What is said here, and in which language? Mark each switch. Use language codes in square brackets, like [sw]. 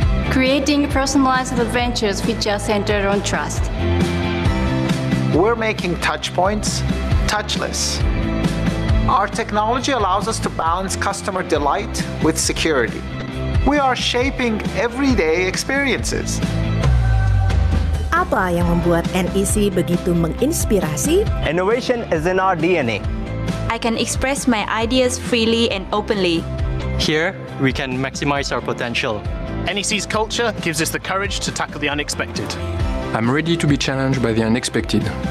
[en] Creating personalized adventures which are centered on trust. We're making touch points touchless. Our technology allows us to balance customer delight with security. We are shaping everyday experiences. [id] Apa yang membuat NEC begitu menginspirasi? [en] Innovation is in our DNA. I can express my ideas freely and openly. Here, we can maximize our potential. NEC's culture gives us the courage to tackle the unexpected. I'm ready to be challenged by the unexpected.